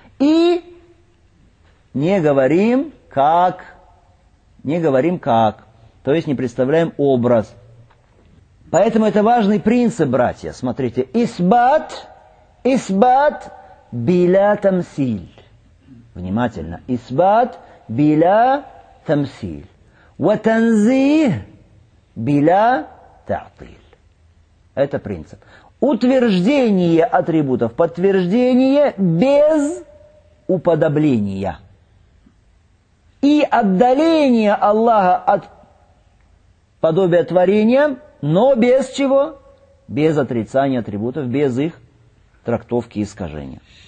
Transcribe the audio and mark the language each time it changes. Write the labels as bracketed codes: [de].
[ru] И не говорим как, то есть не представляем образ. Поэтому это важный принцип, братья. Смотрите, [ar] исбат биля тамсиль. [ru] Внимательно, исбат [ar] بلا تمثيل، وتنزيه بلا تعطيل. [ru] Это принцип. Утверждение атрибутов, подтверждение без уподобления. И отдаление Аллаха от подобия творения, но без чего? Без отрицания атрибутов, без их трактовки и искажения.